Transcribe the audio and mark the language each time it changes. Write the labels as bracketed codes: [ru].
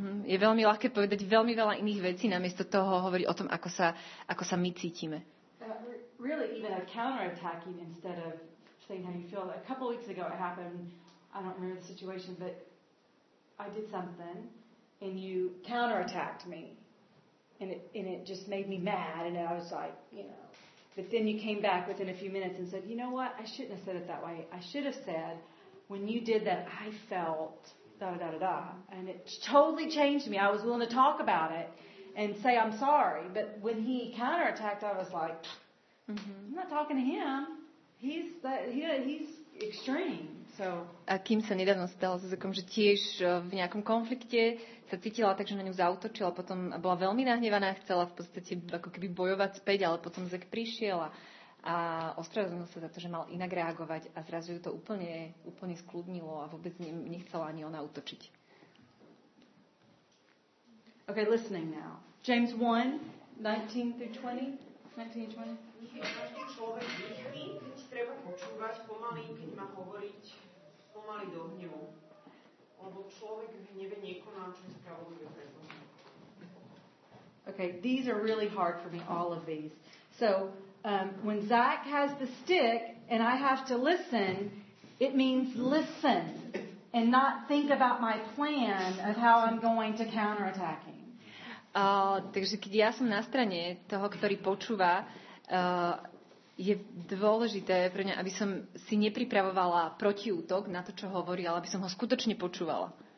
[sk] Je veľmi ľahké povedať veľmi veľa iných vecí namiesto toho hovoriť o tom, ako sa my cítime. [en] Really even a counterattacking instead of saying how you feel. A couple weeks ago it happened. I don't remember the situation, but I did something and you counterattacked me. And it just made me mad, and I was like, you know. But then you came back within a few minutes and said, you know what? I shouldn't have said it that way. I should have said, when you did that, I felt da da da da. And it totally changed me. I was willing to talk about it and say I'm sorry. But when he counterattacked, I was like, I'm not talking to him. He's extreme. So. [sk] A kým sa nedávno stala so Zuzkom, že tiež v nejakom konflikte sa cítila, takže na ňu zautočila, potom bola veľmi nahnevaná, chcela v podstate ako keby bojovať späť, ale potom Zuzek prišiel a ospravedlnil sa za to, že mal inak reagovať a zrazu ju to úplne skľudnilo a vôbec nechcela ani ona utočiť. [en] Ok, listening now. James 1:19-20. [sk] Pomaly do hnevu, lebo človek v hneve nekoná, čo je spravodlivé pre Boha. [en] Okay, these are really hard for me, all of these. So, when Zach has the stick and I have to listen, it means listen and not think about my plan of how I'm going to counterattacking. [sk] Takže keď ja som na strane toho, ktorý počúva, je dôležité pre ňa, aby som si nepripravovala protiútok na to, čo hovorí, ale aby som ho skutočne počúvala.